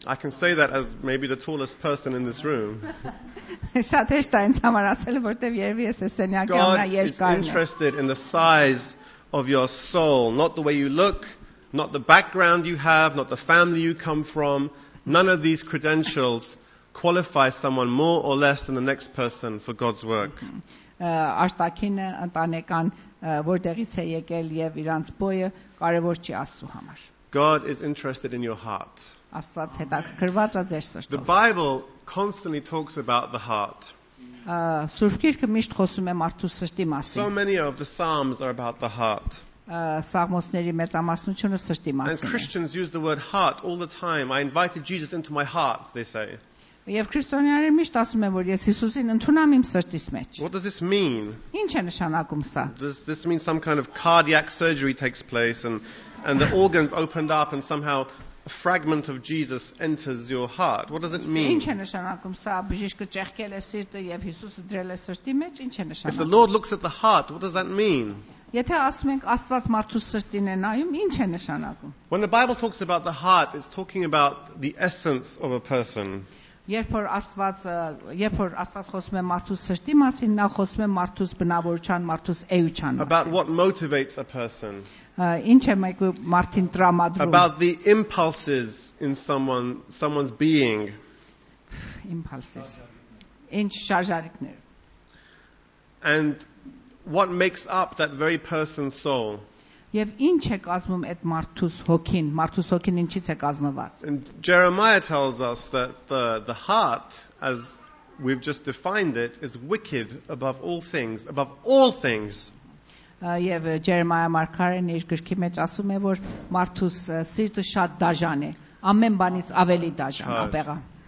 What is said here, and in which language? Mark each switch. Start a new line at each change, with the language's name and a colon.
English: I can say that as maybe the tallest person in this room.
Armenian: Շատ հեշտ է ինձ համար ասել, որտեվ երևի ես սենյակի ամենաերկարն եմ.
English: God is interested in the size of your soul, not the way you look. Not the background you have, not the family you come from, none of these credentials qualify someone more or less than the next person for God's work.
Armenian: Աշտակինը ընտանեկան որտեղից է եկել եւ իրանց բույը կարեւոր չի Աստծո համար.
English: God is interested in your heart.
Armenian: Աստված հետաքրքրված է ձեր սրտով.
English: The Bible constantly talks about the heart.
Armenian: Սուրբ Գիրքը միշտ խոսում է մարդու սրտի մասին.
English: So many of the Psalms are about the heart.
Armenian: Սաղմոսների մեծամասնությունը սրտի մասին է։
English: And Christians use the word heart all the time. I invited Jesus into my heart, they say.
Armenian: Եվ քրիստոնյաները միշտ ասում են, որ ես Հիսուսին ընդունամ իմ սրտիս մեջ։
English: What does this mean?
Armenian: Ինչ է նշանակում սա։
English: This means some kind of cardiac surgery takes place and the organs opened up and somehow a fragment of Jesus enters your heart. What does it mean?
Armenian: Ինչ է նշանակում սա։ Բժիշկը ճեղքել է սիրտը եւ Հիսուսը դրել է սրտի մեջ։ Ինչ է նշանակում։
English: If the Lord looks at the heart, what does that mean?
Armenian: Եթե ասում ենք Աստված մարդու սրտին է նայում, ի՞նչ է նշանակում։
English: When the Bible talks about the heart, it's talking about the essence of a person.
Armenian: Երբ որ Աստված խոսում է մարդու սրտի մասին, նա խոսում է մարդու բնավորության, մարդու էության մասին։
English: About what motivates a person.
Armenian: Ի՞նչ է մարդին տրամադրում։
English: About the impulses in someone's being.
Armenian: Impulses. Ինչ շարժարիքներ։
English: And what makes up that very person's soul?
Armenian: Եվ ի՞նչ է կազմում այդ մարդուս հոգին, մարդուս հոգին ինչից է կազմված?
English: And Jeremiah tells us that the heart, as we've just defined it, is wicked above all things.
Armenian: Եվ Jeremiah մարգարեն իր գրքի մեջ ասում է, որ մարդուս սիրտը շատ դաժան է, ամեն բանից ավելի դաժան ապեղա.